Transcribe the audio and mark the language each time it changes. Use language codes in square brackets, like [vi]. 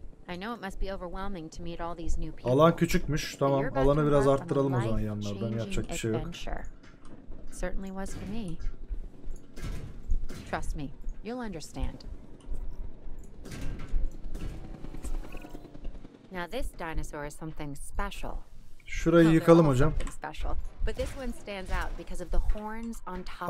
[en] I know it must be overwhelming to meet all these new people. [tr] Alan küçükmüş. Tamam, alanı biraz arttıralım o zaman yanlardan. Yapacak bir şey yok. [en] Certainly was for me. Trust me, you'll understand. Now this dinosaur is something special. [tr] Şurayı yıkalım hocam. [en] But this one stands out because of the horns on top.